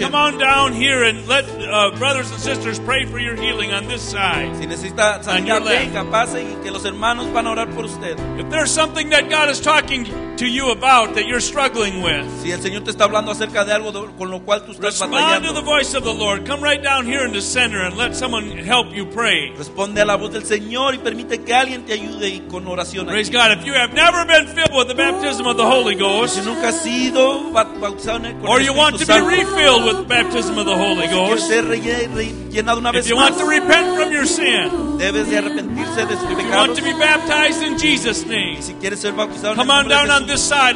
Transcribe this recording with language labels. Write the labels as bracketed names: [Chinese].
[English] Come on down here and let brothers and sisters pray for your healing on this side. [Spanish] Si necesita sanidad, venga, pase y que los hermanos van a orar por usted. [English] If there's something that God is talking to you about that you're struggling with. [Spanish] Si el Señor te está hablando acerca de algo con lo cual tú estás [English] respond [Spanish] batallando. [English] Respond to the voice of the Lord. Come right down here in the center and let someone help you pray. [Spanish] Responde a la voz del Señor y permite que alguien te ayude y con oración. [English] Praise God. If you have never been filled with the baptism of the Holy Ghost. [Spanish] Si nunca has sido bautizado. [English] Or you want to be refilled with the baptism of the Holy Ghost. If you want to repent from your sin, if you want to be baptized in Jesus' name, come on down on this side.